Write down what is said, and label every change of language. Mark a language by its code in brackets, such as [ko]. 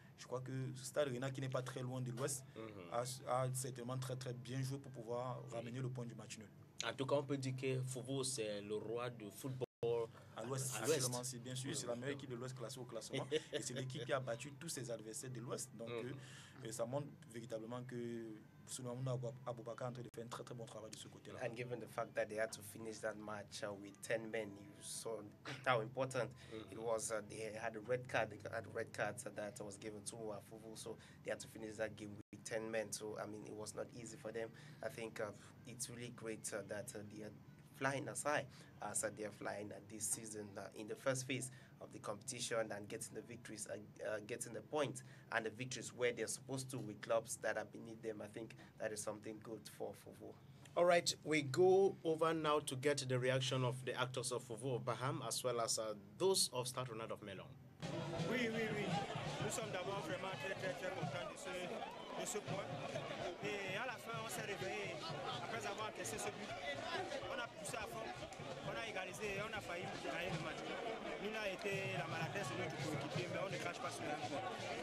[fr] Je crois que Stade Rennais, qui n'est pas très loin de l'Ouest, a certainement très très bien joué pour pouvoir ramener le point du match nul. En tout cas, on peut dire que Fofo, c'est le roi du football à l'Ouest. Absolument, c'est bien sûr, c'est la meilleure équipe de l'Ouest classée au classement. Et c'est l'équipe qui a battu tous ses adversaires de l'Ouest. Donc, ça montre véritablement que Souleymanou Aboubakar est en train de faire un très très bon travail de ce côté-là. [en] And given the fact that they had to finish that match with 10 men, you saw how important it was. They had a red card that was given to Fofo, so they had to finish that game with 10 men. So, I mean, it was not easy for them. I think it's really great that they are flying as high as they are flying this season. In the first phase of the competition and getting the victories, getting the points and the victories where they're supposed to with clubs that are beneath them. I think that is something good for FOVO. All right, we go over now to get the reaction of the actors of FOVO of Baham as well as those of Stade Rwandais of Melon. [fr] Oui. Nous sommes d'abord vraiment très, très, très contents de ce point. Et à la fin, on s'est réveillé après avoir encaissé ce but. On a poussé à fond, on a égalisé et on a failli gagner le match. Nous, là, été la maladresse de notre coéquipier, mais on ne crache pas sur la vie.